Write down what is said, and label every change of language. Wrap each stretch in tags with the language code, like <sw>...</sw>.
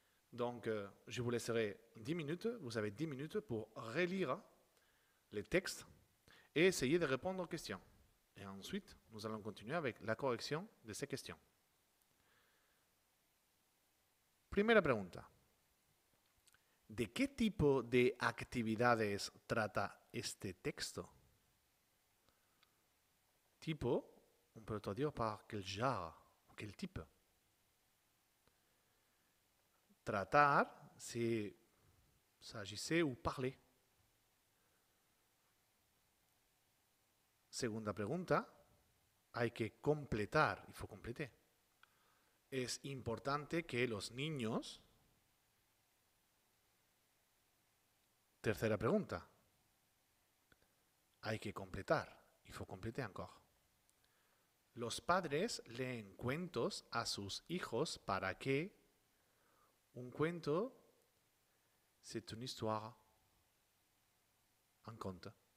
<fr>Donc, je vous laisserai 10 minutes, vous avez 10 minutes pour relire les textes et essayer de répondre aux questions. Et ensuite, nous allons continuer avec la correction de ces questions.</fr> <es>Primera pregunta. ¿De qué tipo de actividades trata este texto?</es> <fr>Tipo, on peut traduire par quel genre, quel type. Tratar, c'est s'agissait ou parler.</fr> <es>Segunda pregunta, hay que completar,</es> <fr>il faut compléter.</fr> <es>Es importante que los niños. Tercera pregunta, hay que completar,</es> <fr>il faut compléter encore.</fr> <es>Los padres leen cuentos a sus hijos para que. Un cuento,</es> <fr>c'est une histoire, un conte.</fr>